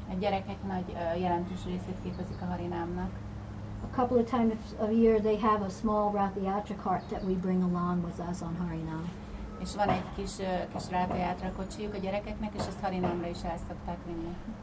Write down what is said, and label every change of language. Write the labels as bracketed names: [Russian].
[Hungarian] A gyerekek nagy jelentős részét képezik a Harinamnak. [English] A couple of times a year they have a small rathiyatra cart that we bring along with us on Harinam. [Hungarian] És van egy kis rathiyatra kocsijuk a gyerekeknek, és ezt Harinamra is el szokták vinni.